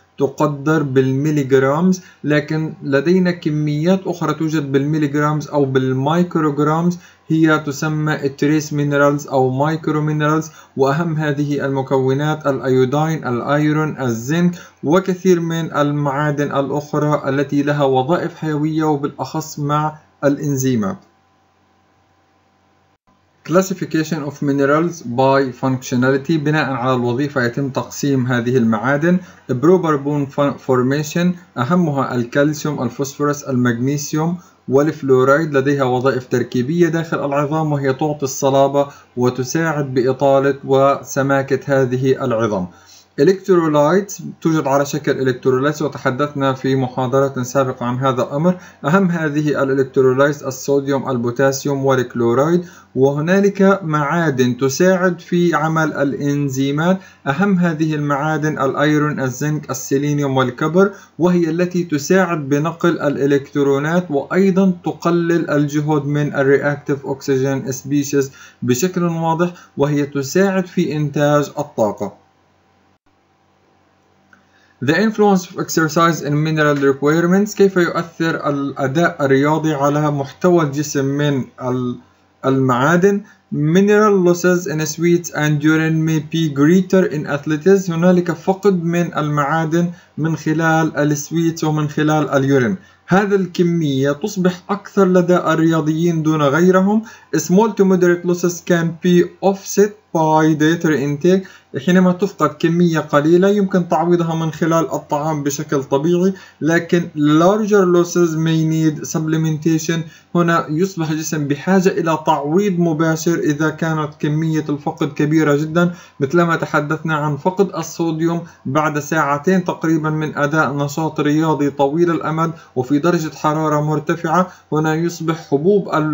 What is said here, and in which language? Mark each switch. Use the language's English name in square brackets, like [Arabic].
[Arabic] تقدر بالميليغرامز، لكن لدينا كميات أخرى توجد بالميليغرامز أو بالمايكروغرامز، هي تسمى تريس مينرالز أو مايكرو مينرالز، وأهم هذه المكونات الأيودين، الأيرون، الزنك، وكثير من المعادن الأخرى التي لها وظائف حيوية وبالأخص مع الإنزيمات. [English] Classification of minerals by functionality. [Arabic] بناء على الوظيفة يتم تقسيم هذه المعادن: [English] proper bone formation، [Arabic] أهمها الكالسيوم، الفوسفورس، المغنيسيوم والفلورايد، لديها وظائف تركيبية داخل العظام وهي تعطي الصلابة وتساعد بإطالة وسماكة هذه العظام. Electrolytes توجد على شكل electrolytes، وتحدثنا في محاضرة سابقة عن هذا الأمر، أهم هذه الالكترولايتس الصوديوم، البوتاسيوم والكلورايد، وهنالك معادن تساعد في عمل الإنزيمات، أهم هذه المعادن الأيرون، الزنك، السيلينيوم والكبر، وهي التي تساعد بنقل الإلكترونات وأيضا تقلل الجهد من الرياكتيف أكسجين سبيشيز بشكل واضح، وهي تساعد في إنتاج الطاقة. [English] The influence of exercise in mineral requirements. [Arabic] كيف يؤثر الأداء الرياضي على محتوى الجسم من المعادن؟ [English] Mineral losses in sweats and urine may be greater in athletes. [Arabic] هنالك فقد من المعادن من خلال السويتس ومن خلال اليورين. هذه الكمية تصبح أكثر لدى الرياضيين دون غيرهم. [English] Small to moderate losses can be offset by dietary intake. [Arabic] حينما تفقد كمية قليلة يمكن تعويضها من خلال الطعام بشكل طبيعي، لكن [English] larger losses may need supplementation. [Arabic] هنا يصبح الجسم بحاجة إلى تعويض مباشر إذا كانت كمية الفقد كبيرة جدا، مثلما تحدثنا عن فقد الصوديوم بعد ساعتين تقريبا من أداء نشاط رياضي طويل الأمد وفي درجة حرارة مرتفعة، هنا يصبح حبوب